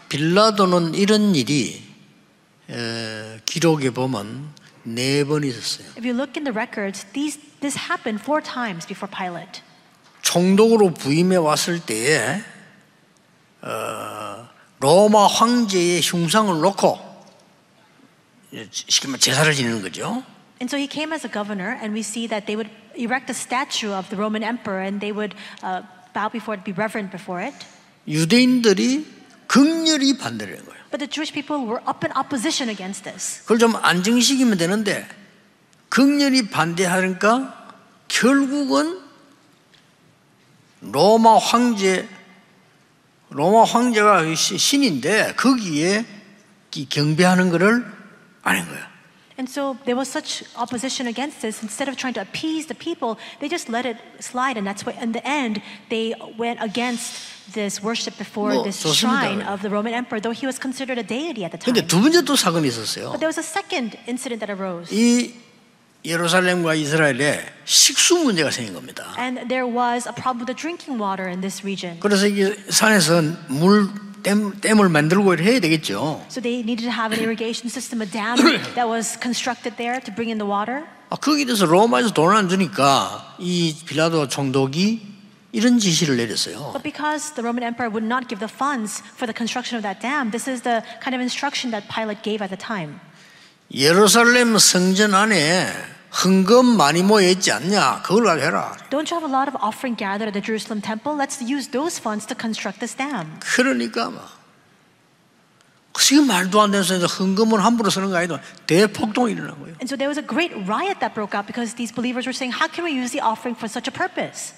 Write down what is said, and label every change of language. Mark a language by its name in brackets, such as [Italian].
[Korean] 빌라도는 이런 일이 기록에 보면 네 번 있었어요. [English] If you look in the records, this happened four times before Pilate. [Korean] 총독으로 부임해 왔을 때에 로마 황제의 흉상을 놓고 쉽게 말 제사를 지내는 거죠. [English] And so he came as a governor, and we see that they would erect a statue of the Roman emperor, and they would bow before it, be reverent before it. [Korean] 유대인들이 극렬히 반대를 한 거예요. [English] But the Jewish people were up in opposition against this. [Korean] 그걸 좀 안정시키면 되는데 극렬히 반대하니까 결국은 로마 황제가 신인데 거기에 경배하는 것을 안 한 거야. [English] And so there was such opposition against this. Instead of trying to appease the people, they just let it slide. And that's why, in the end, they went against this worship before this shrine of the Roman emperor, though he was considered a deity at the time. [Korean] 근데 두 번째 또 사건이 있었어요. [English] But there was a second incident that arose. [Korean] 이 예루살렘과 이스라엘에 식수 문제가 생긴 겁니다. [English] And there was a problem with the drinking water in this region. [Korean] 그래서 이 산에서는 물 댐을 만들고 해야 되겠죠. [English] So they needed to have an irrigation system, a dam that was constructed there to bring in the water. [Korean] 아, 거기 대해서 로마에서 돈 안 주니까 이 빌라도 총독이 이런 지시를 내렸어요. [English] But because the Roman emperor would not give the funds for the construction of that dam, this is the kind of instruction that Pilate gave at the time. [Korean] 예루살렘 성전 안에 헌금 많이 모여 있지 않냐? 그걸 가지고 해라. [English] Don't you have a lot of offering gathered at the Jerusalem temple? Let's use those funds to construct this dam. [Korean] 그러니까 지금 말도 안 되는 소리에서 헌금을 함부로 쓰는 거 아니더 대폭동이 일어난 거예요. [English] And so there was a great riot that broke out because these believers were saying, how can we use the offering for such a purpose?